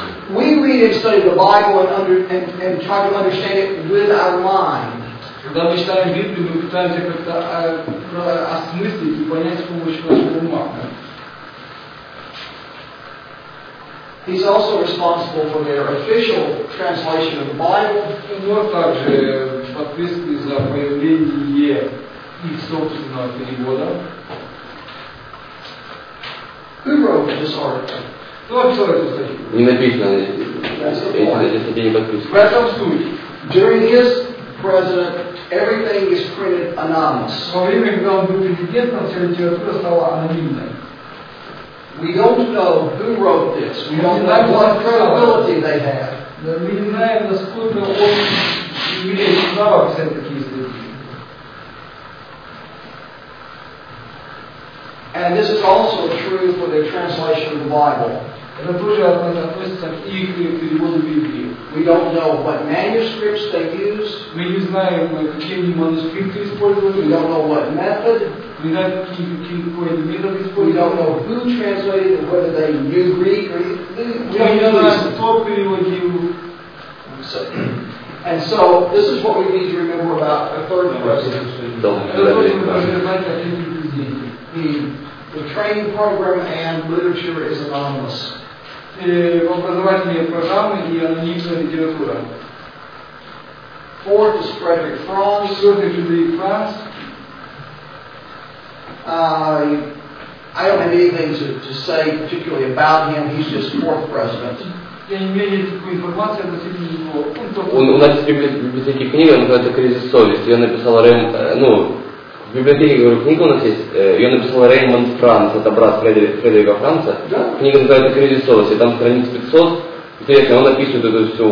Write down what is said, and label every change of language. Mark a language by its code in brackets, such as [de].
[en] We read and study the Bible and try to understand it with our mind. [ru] Когда мы читаем Библию, мы пытаемся как-то осмыслить и понять с помощью нашего ума. [en] He's also responsible for their official translation of the Bible. [ru] Вот также подписки за появление их собственного перевода. [en] Who wrote this article? [ru] Кто написал эту статью? Не написано. [en] That's the point. [ru] В этом суть. [en] During his president, everything is printed anonymous. [ru] Во время, когда он был президентом, вся литература стала анонимной. [en] We don't know who wrote this. We don't know what credibility they have. We don't know how much credibility they have. And this is also true for their translation of the Bible. [ru] Это тоже относится к их переводу Библии. [en] We don't know what manuscripts they use. [ru] Мы не знаем, какие они манускрипты используют. [en] We don't know what method. We don't know [ru] какой они метод используют. [en] We don't know who translated, whether they knew Greek or [ru] Hebrew. Мы не знаем, кто переводил [en] so this is what we need to remember about a third person. The training program and literature is anonymous. [ru] Образовательные программы и анонимная литература. [en] Fourth is Frederick Franz. I don't have anything to say particularly about him. He's just fourth president. [ru] У нас в библиотеке книга, называется «Кризис совести». Ее написал в библиотеке, говорю, книга у нас есть. Ее написал Реймонд Франц, это брат Фредерика Франца. Да? Книга называется «Кризис совести», там страница 500. Интересно, он описывает это все.